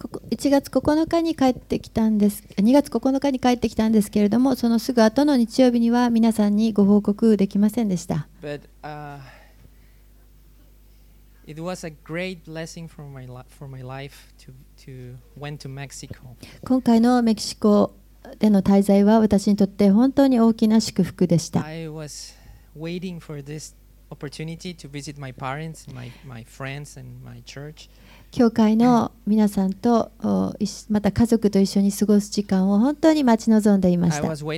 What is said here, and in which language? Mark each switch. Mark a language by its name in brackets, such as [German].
[Japanese] 1月9日に帰ってきたんです。2月9日に帰ってきたんですけれども、そのすぐ後の日曜日には皆さんにご報告できませんでした。 [English] But, it was a great blessing for my life to went to Mexico. [Japanese] 今回のメキシコでの滞在は私にとって本当に大きな祝福でした。 [English] I was waiting for this opportunity to visit my parents, my friends, and my church. [Japanese] 教会の皆さんとまた家族と一緒に過ごす時間を本当に待ち望んでいました。